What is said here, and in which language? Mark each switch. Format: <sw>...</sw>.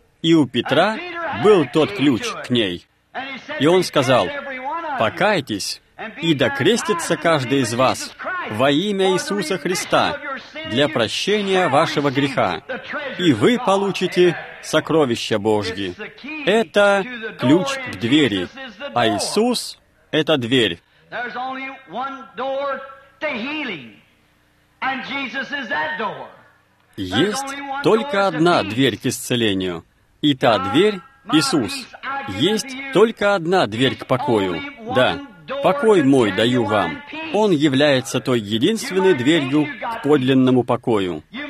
<ru>И у Петра был тот ключ к ней. И он сказал: «Покайтесь, и докрестится каждый из вас во имя Иисуса Христа для прощения вашего греха, и вы получите сокровища Божьи». Это ключ к двери, а Иисус — это дверь.</ru> <en>There's only one door to healing, and Jesus is that door.</en> <ru>Есть только одна дверь к исцелению, и та дверь — Иисус. Есть только одна дверь к покою. Да, покой мой даю вам. Он является той единственной дверью к подлинному покою.</ru>